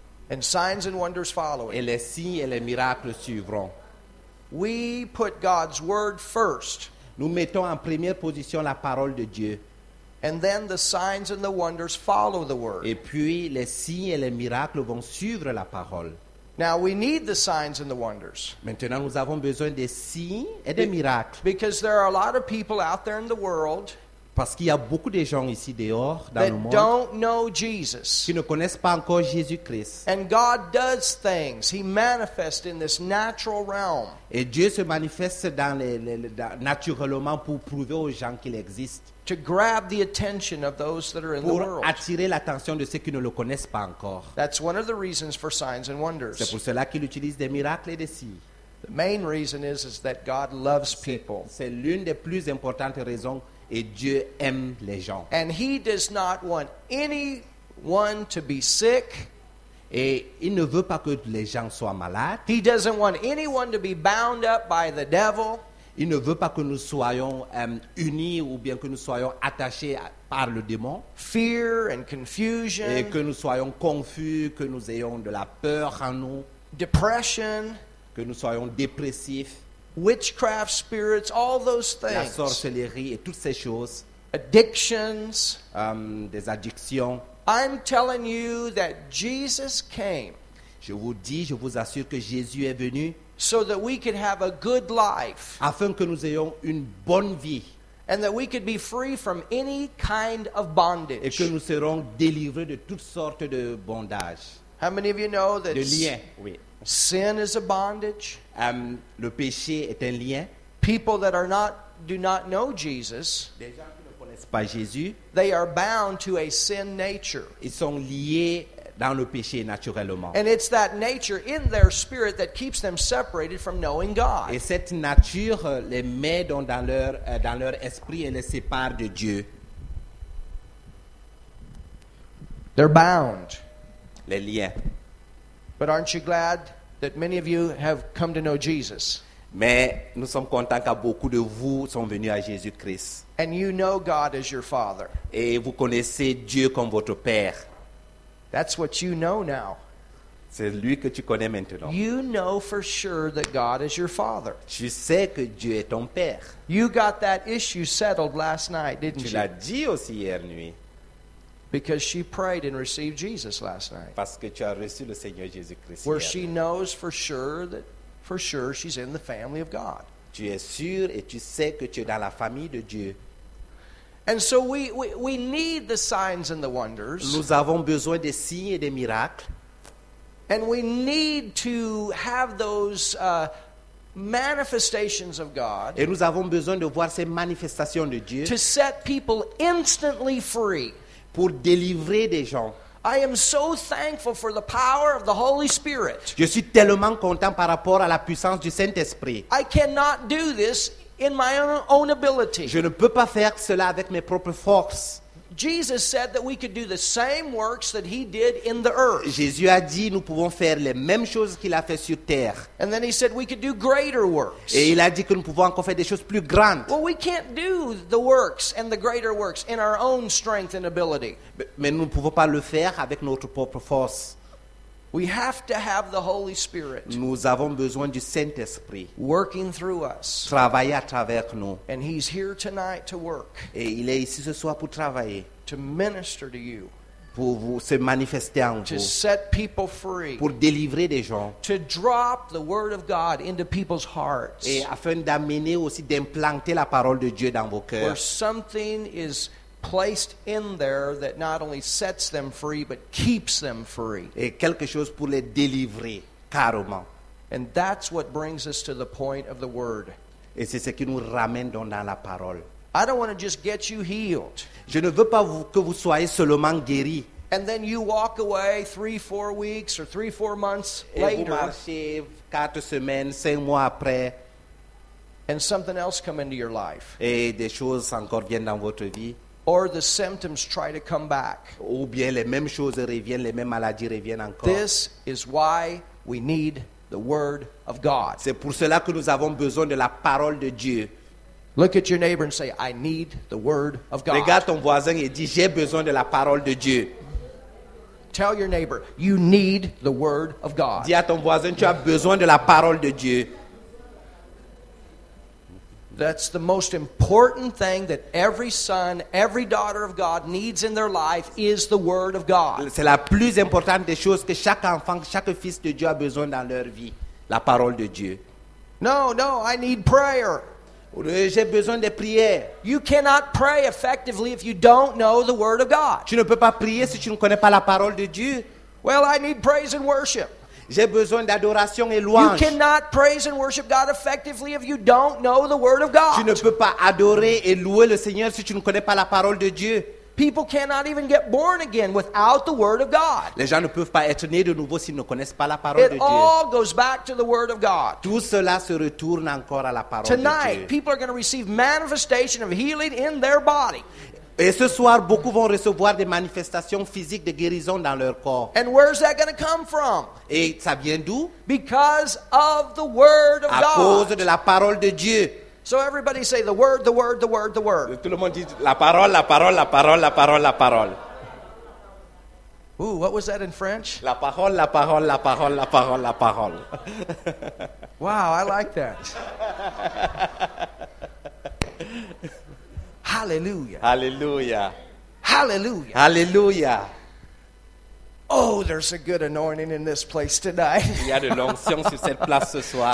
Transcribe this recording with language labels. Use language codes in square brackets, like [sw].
[en] And signs and wonders following. [fr] Et les signes et les miracles suivront. [en] We put God's word first. [fr] Nous mettons en première position la parole de Dieu. [en] And then the signs and the wonders follow the word. [fr] Et puis les signes et les miracles vont suivre la parole. [en] Now we need the signs and the wonders. [fr] Maintenant nous avons besoin des signes et des miracles. [en] Because there are a lot of people out there in the world. [fr] Parce qu'il y a beaucoup de gens ici dehors dans [en] that [fr] le monde [en] don't know Jesus. [fr] Qui ne connaissent pas encore Jésus-Christ. [en] And God does things. He manifests in this natural realm. [fr] Et Dieu se manifeste dans les naturellement pour prouver aux gens qu'il existe. [en] To grab the attention of those that are in [fr] pour [en] the world. [fr] Attirer l'attention de ceux qui ne le connaissent pas encore. [en] That's one of the reasons for signs and wonders. [fr] C'est pour cela qu'il utilise des miracles et des signes. [en] The main reason is that God loves people. [fr] C'est l'une des plus importantes raisons. Et Dieu aime les gens. [en] And he does not want anyone to be sick. [fr] Et il ne veut pas que les gens soient malades. [en] He doesn't want anyone to be bound up by the devil. [fr] Il ne veut pas que nous soyons unis ou bien que nous soyons attachés par le démon. [en] Fear and confusion. [fr] Et que nous soyons confus, que nous ayons de la peur en nous. [en] Depression. [fr] Que nous soyons dépressifs. [en] Witchcraft spirits, all those things. [fr] La sorcellerie et toutes ces choses. [en] Addictions. [fr] Des addictions. [en] I'm telling you that Jesus came. [fr] Je vous dis, je vous assure que Jésus est venu. [en] So that we could have a good life. [fr] Afin que nous ayons une bonne vie. [en] And that we could be free from any kind of bondage. [fr] Et que nous serons délivrés de toutes sortes de bondages. [en] How many of you know that? [fr] De liens. Oui. [en] Sin is a bondage. [fr] Le péché est un lien. [en] People that are not do not know Jesus. [fr] Des gens qui ne connaissent pas Jésus. [en] They are bound to a sin nature. [fr] Ils sont liés dans le péché naturellement. [en] And it's that nature in their spirit that keeps them separated from knowing God. [fr] Et cette nature les met dans leur esprit et les sépare de Dieu. [en] They're bound. [fr] Les liens. [en] But aren't you glad that many of you have come to know Jesus? [fr] Mais nous sommes contents que beaucoup de vous sont venus à Jésus-Christ. [en] And you know God as your Father. [fr] Et vous connaissez Dieu comme votre Père. [en] That's what you know now. [fr] C'est lui que tu connais maintenant. [en] You know for sure that God is your Father. [fr] Tu sais que Dieu est ton Père. [en] You got that issue settled last night, didn't you? [fr] Tu l'as dit aussi hier nuit. [en] Because she prayed and received Jesus last night. [fr] Parce que tu as reçu le Seigneur Jésus-Christ. [en] Where she knows for sure she's in the family of God. [fr] Tu es sûr et tu sais que tu es dans la famille de Dieu. [en] And so we need the signs and the wonders. [fr] Nous avons besoin des signes et des miracles. [en] And we need to have those manifestations of God. [fr] Et nous avons besoin de voir ces manifestations de Dieu. [en] To set people instantly free. [fr] Pour délivrer des gens. [en] I am so thankful for the power of the Holy Spirit. [fr] Je suis tellement content par rapport à la puissance du Saint-Esprit. [en] I cannot do this in my own ability. [fr] Je ne peux pas faire cela avec mes propres forces. [en] Jesus said that we could do the same works that he did in the earth. [fr] Jésus a dit nous pouvons faire les mêmes choses qu'il a fait sur terre. [en] And then he said we could do greater works. [fr] Et il a dit que nous pouvons encore faire des choses plus grandes. [en] Well, we can't do the works and the greater works in our own strength and ability. [fr] Mais nous ne pouvons pas le faire avec notre propre force. [en] We have to have the Holy Spirit. [fr] Nous avons besoin du Saint-Esprit. [en] Working through us. [fr] Travailler à travers nous. [en] And he's here tonight to work. [fr] Et il est ici ce soir pour travailler. [en] To minister to you. [fr] Pour vous se manifester en [en] to [fr] vous. [en] To set people free. [fr] Pour délivrer des gens. [en] To drop the word of God into people's hearts. [fr] Et afin d'amener aussi d'implanter la parole de Dieu dans vos cœurs. [en] Where something is placed in there that not only sets them free but keeps them free. [fr] Et quelque chose pour les délivrer carrément. [en] And that's what brings us to the point of the word. [fr] Et c'est ce qui nous ramène dans la parole. [en] I don't want to just get you healed. [fr] Je ne veux pas que vous soyez seulement guéri. [en] And then you walk away 3-4 weeks or 3-4 months later. [fr] Et vous marchez 4 semaines, 5 mois après. [en] And something else come into your life. [fr] Et des choses encore viennent dans votre vie. [en] Or the symptoms try to come back. [fr] Ou bien les mêmes choses reviennent, les mêmes maladies reviennent encore. [en] This is why we need the word of God. [fr] C'est pour cela que nous avons besoin de la parole de Dieu. [en] Look at your neighbor and say, I need the word of God. [fr] Regarde ton voisin et dis, j'ai besoin de la parole de Dieu. [en] Tell your neighbor, you need the word of God. [fr] Dis à ton voisin, tu as besoin de la parole de Dieu. [en] That's the most important thing that every son, every daughter of God needs in their life is the word of God. [fr] C'est la plus importante des choses que chaque enfant, chaque fils de Dieu a besoin dans leur vie, la parole de Dieu. [en] No, I need prayer. [fr] J'ai besoin de prier. [en] You cannot pray effectively if you don't know the word of God. [fr] Tu ne peux pas prier si tu ne connais pas la parole de Dieu. [en] Well, I need praise and worship. [fr] J'ai besoin d'adoration et louange. [en] You cannot praise and worship God effectively if you don't know the word of God. [fr] Tu ne peux pas adorer et louer le Seigneur si tu ne connais pas la parole de Dieu. [en] People cannot even get born again without the word of God. [fr] Les gens ne peuvent pas être nés de nouveau s'ils ne connaissent pas la parole de Dieu. [en] It all goes back to the word of God. [fr] Tout cela se retourne encore à la parole de Dieu. [en] Tonight, people are going to receive manifestation of healing in their body. [fr] Et ce soir, beaucoup vont recevoir des manifestations physiques de guérison dans leur corps. [en] And where's that going to come from? [fr] Et ça vient d'où? [en] Because of the word of [fr] God. À cause de la parole de Dieu. [en] So everybody say the word, the word, the word, the word. [fr] Tout le monde dit la parole, la parole, la parole, la parole, la parole. [en] Ooh, what was that in French? [fr] La parole, la parole, la parole, la parole, la parole. [en] Wow, I like that. Hallelujah. Hallelujah. Hallelujah. Hallelujah. Oh, there's a good anointing in this place tonight. [fr] Il y a de l'onction sur cette place ce soir.